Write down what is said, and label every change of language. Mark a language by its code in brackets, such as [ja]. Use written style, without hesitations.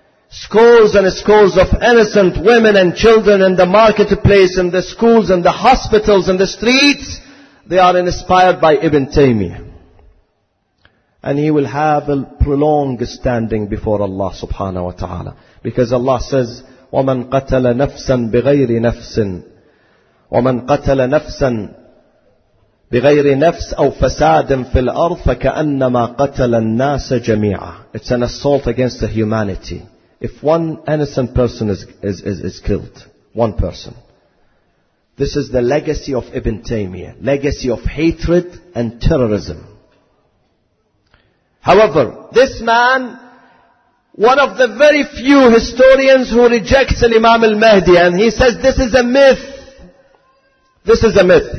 [en] scores and scores of innocent women and children in the marketplace, in the schools, in the hospitals, in the streets, they are inspired by Ibn Taymiyyah. And he will have a prolonged standing before Allah subhanahu wa ta'ala. Because Allah says, [ar] وَمَنْ قَتَلَ نَفْسًا بِغَيْرِ نَفْسٍ وَمَنْ قَتَلَ نَفْسًا بِغَيْرِ نَفْسٍ أَوْ فَسَادٍ فِي الْأَرْضِ فَكَأَنَّمَا قَتَلَ النَّاسَ جَمِيعًا. [en] It's an assault against the humanity. If one innocent person is killed, one person. This is the legacy of Ibn Taymiyyah, legacy of hatred and terrorism. However, this man, one of the very few historians who rejects Imam al-Mahdi, and he says this is a myth. This is a myth.